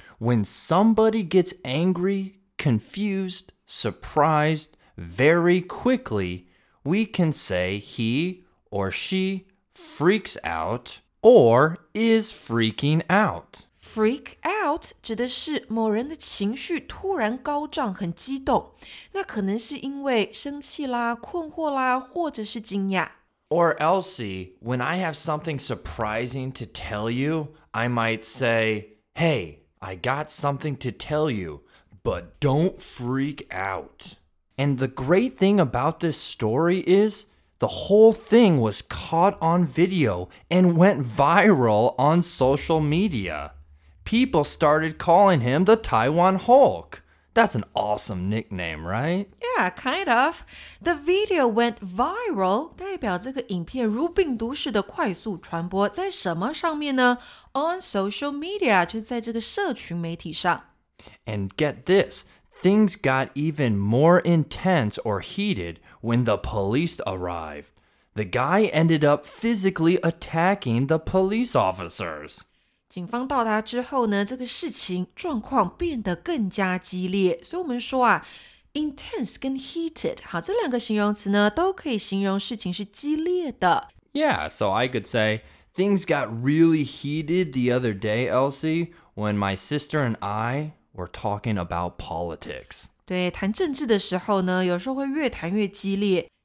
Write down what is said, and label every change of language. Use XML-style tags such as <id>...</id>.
<en>When somebody gets angry, confused, surprised very quickly, we can say he or she freaks out or is freaking out.</en> <zh>freak out 指的是某人的情绪突然高涨，很激动，那可能是因为生气啦，困惑啦，或者是惊讶。</zh> <en>Or Elsie, when I have something surprising to tell you, I might say, hey, I got something to tell you, but don't freak out. And the great thing about this story is, the whole thing was caught on video and went viral on social media. People started calling him the Taiwan Hulk. That's an awesome nickname, right? Yeah, kind of. The video went viral,</en> <zh>代表这个影片如病毒似的快速传播，在什么上面呢？</zh> <en>On social media,</en> <zh>就是在这个社群媒体上。</zh> <en>And get this, things got even more intense or heated when the police arrived. The guy ended up physically attacking the police officers.</en> <zh>警方到达之后呢，这个事情状况变得更加激烈。所以我们说啊 ,intense 跟 heated, 好，这两个形容词呢都可以形容事情是激烈的。</zh> <en>Yeah, so I could say, things got really heated the other day, Elsie, when my sister and I were talking about politics.</en> <zh>对，谈政治的时候呢，有时候会越谈越激烈。</zh>